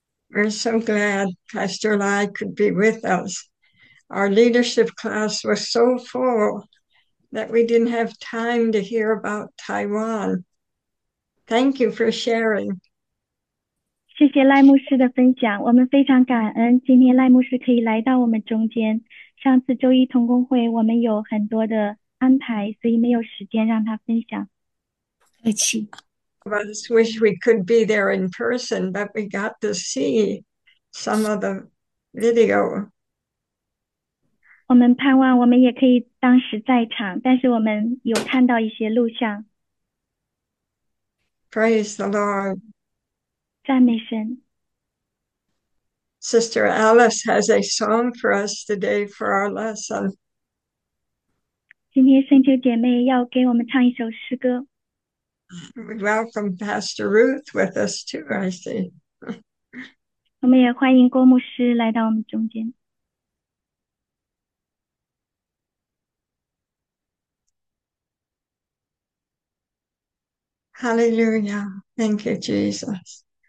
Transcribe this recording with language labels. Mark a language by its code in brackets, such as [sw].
[en] We're so glad Pastor Lai could be with us. Our leadership class was so full that we didn't have time to hear about Taiwan. Thank you for sharing. [zh] 谢谢赖牧师的分享，我们非常感恩今天赖牧师可以来到我们中间。上次周一同工会我们有很多的安排，所以没有时间让他分享。客气。 [en] Of us wish we could be there in person, but we got to see some of the video. [zh] 我们盼望我们也可以当时在场，但是我们有看到一些录像。 [en] Praise the Lord. [zh] 赞美神。 [en] Sister Alice has a song for us today for our lesson. [zh] 今天圣秋姐妹要给我们唱一首诗歌。 [en] We welcome Pastor Ruth with us too, I see. [zh] 我们也欢迎郭牧师来到我们中间。 [en] Hallelujah. Thank you, Jesus.